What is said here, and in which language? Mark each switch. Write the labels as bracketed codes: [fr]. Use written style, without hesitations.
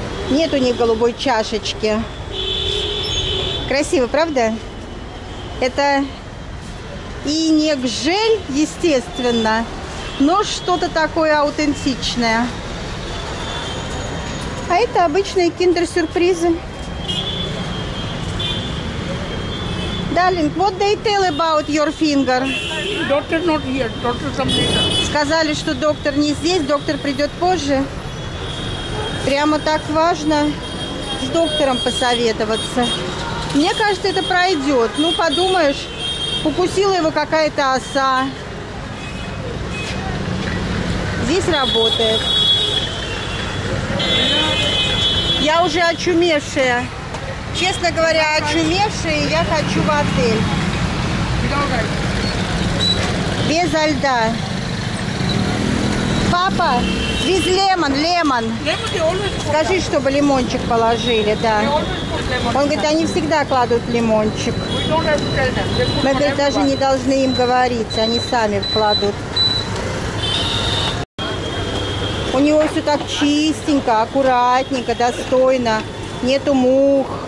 [ru] Нет у них голубой чашечки. Красиво, правда? Это инек жель, естественно, но что-то такое аутентичное. А это обычные киндер-сюрпризы. [en] Darling, what they tell about your finger? Doctor not here. Doctor some later. [ru] Сказали, что доктор не здесь, доктор придет позже. Прямо так важно с доктором посоветоваться. Мне кажется, это пройдет. Ну, подумаешь, укусила его какая-то оса. Здесь работает. Я уже очумевшая. Честно говоря, очумевшая, и я хочу в отель. Без льда. Папа, [en] with lemon, lemon. [ru] Скажи, чтобы лимончик положили, да. Он говорит, они всегда кладут лимончик. Мы, говорит, даже не должны им говорить, они сами кладут. У него все так чистенько, аккуратненько, достойно. Нету мух.